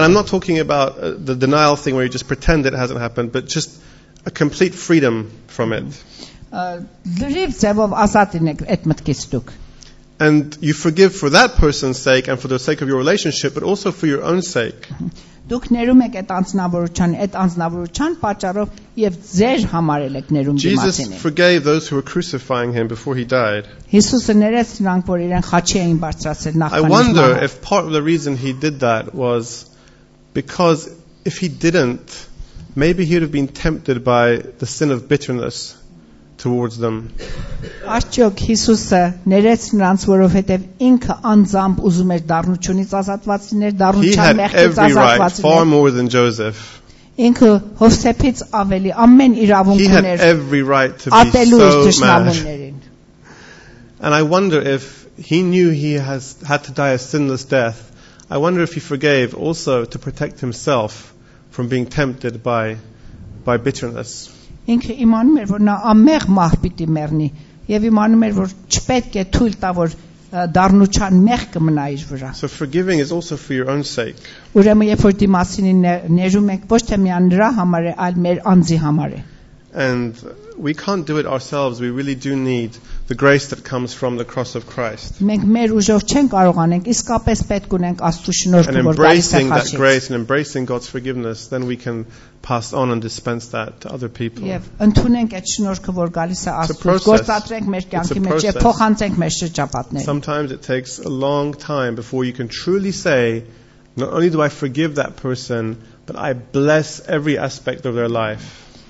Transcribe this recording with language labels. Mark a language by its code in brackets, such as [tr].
[en] And I'm not talking about the denial thing where you just pretend it hasn't happened, but just a complete freedom from it. [hy] Լրիվ ձևով ազատ ենք այդ մտքից դուք։ [en] And you forgive for that person's sake and for the sake of your relationship but also for your own sake. [hy] Դուք ներում եք այդ անձնավորության պատճառով եւ ձեր համար եք ներում դիմացին։ [en] Jesus forgave those who were crucifying him before he died. [hy] Հիսուսը ներեց նրանք, որ իրեն խաչի էին բարձրացել նախքան իրեն։ [en] I wonder if part of the reason he did that was because if he didn't maybe he'd have been tempted by the sin of bitterness towards them. [hy] Աճյոք Հիսուսը ներեց նրանց, որովհետև ինքը անձամբ ուզում էր դառնությունից ազատված լինել, դառնության մեղքից ազատված լինել. [en] Far more than Joseph. [hy] Ինքը Հովսեփից ավելի ամեն իրավունք ուներ. [en] He had every right to be so mad. And I wonder if he knew he has had to die a sinless death. I wonder if he forgave also to protect himself from being tempted by bitterness. [hy] Ինքը իմանում էր, որ նա ամեղ մահ պիտի մեռնի, եւ իմանում էր, որ չպետք է թույլ տա, որ դառնության մեղ կմնա իր վրա. [en] So forgiving is also for your own sake. [hy] Ուրեմն երբ որ դիմասին ներում եք, ոչ թե միայն նրա համար է, այլ մեր անձի համար է. [en] And we can't do it ourselves. We really do need the grace that comes from the cross of Christ. [hy] Մենք մեր ուժով չեն կարողանենք, իսկապես պետք ունենք Աստծո շնորհքը, որ գալիս է խաչի. [en] And embracing that grace and embracing God's forgiveness, then we can pass on and dispense that to other people. [hy] Եվ ընդունենք այդ շնորհքը, որ գալիս է Աստծո, գործադրենք մեր կյանքի մեջ եւ փոխանցենք մեր շրջապատներին. [en] Sometimes it takes a long time before you can truly say, not only do I forgive that person, but I bless every aspect of their life.